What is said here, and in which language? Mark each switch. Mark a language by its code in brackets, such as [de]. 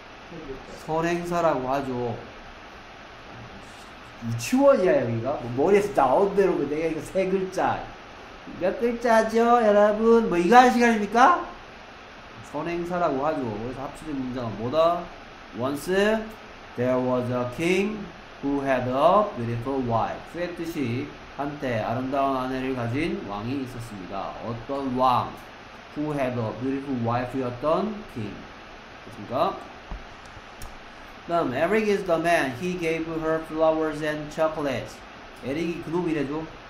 [ko] 그렇죠. 선행사라고 하죠. 유치원이야 여기가. 뭐 머리에서 나온 대로 내가 이거 세 글자. 몇 글자죠, 여러분? 뭐 이거 하는 시간입니까? 선행사라고 하죠. 그래서 합치된 문장은 뭐다? [en] Once there was a king who had a beautiful wife. [ko] 그랬듯이 한때 아름다운 아내를 가진 왕이 있었습니다. 어떤 왕? [en] Who had a beautiful wife였던 king. [ko] 그렇습니까? 다음, [en] Eric is the man. He gave her flowers and chocolates. [ko] 에릭이 그놈이래죠.